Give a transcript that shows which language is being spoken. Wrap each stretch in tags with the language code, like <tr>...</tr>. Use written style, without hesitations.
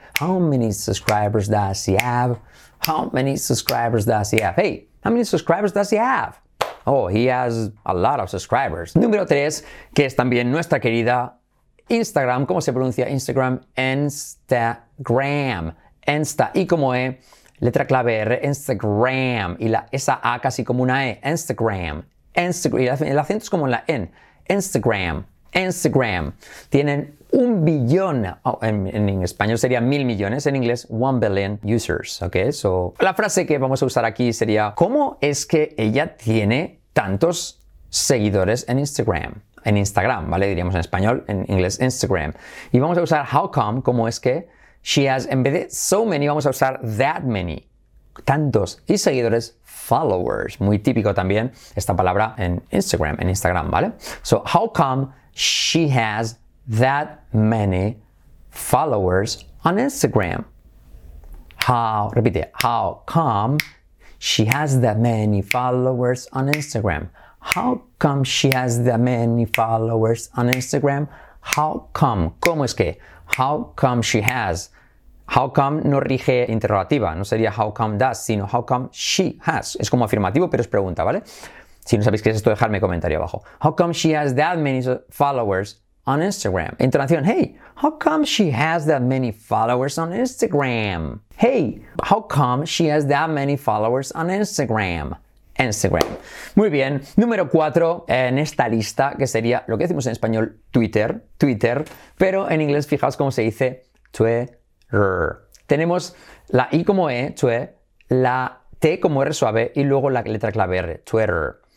<en>How many subscribers does he have? How many subscribers does he have? Hey, how many subscribers does he have? Oh, he has a lot of subscribers.</en> <es>Número 3, que es también nuestra querida Instagram. ¿Cómo se pronuncia Instagram? Instagram. Insta, y como E, letra clave R, Instagram. Y la, esa A casi como una E, Instagram. Instagram. Y el acento es como en la N, Instagram. Instagram. Tienen 1 billón, oh, en español sería 1,000 millones, en inglés</es> <en>1 billion users,</en> <es>¿ok?</es> <en>So,</en> <es>la frase que vamos a usar aquí sería, ¿cómo es que ella tiene tantos seguidores en Instagram? En Instagram, ¿vale? Diríamos en español, en inglés Instagram. Y vamos a usar</es> <en>how come,</en> <es>¿cómo es que</es> <en>she has,</en> <es>en vez de</es> <en>so many,</en> <es>vamos a usar</es> <en>that many,</en> <es>tantos, y seguidores,</es> <en>followers,</en> <es>muy típico también esta palabra en Instagram, ¿vale?</es> <en>So, how come she has that many followers on Instagram? How, repite, how come she has that many followers on Instagram? How come she has that many followers on Instagram? How come,</en> <es>¿cómo es que?</es> <en>How come she has, how come</en> <es>no rige interrogativa, no sería</es> <en>how come does, sino how come she has.</en> <es>Es como afirmativo, pero es pregunta, ¿vale? Si no sabéis qué es esto, dejadme comentario abajo.</es> <en>How come she has that many followers on Instagram?</en> <es>Entonación,</es> <en>hey, how come she has that many followers on Instagram? Hey, how come she has that many followers on Instagram?</en> <es>Instagram. Muy bien. Número 4 en esta lista, que sería lo que decimos en español, Twitter. Twitter. Pero en inglés, fijaos cómo se dice Twitter. Tenemos la I como E, Twitter, la T como R suave y luego la letra clave R, Twitter.</es>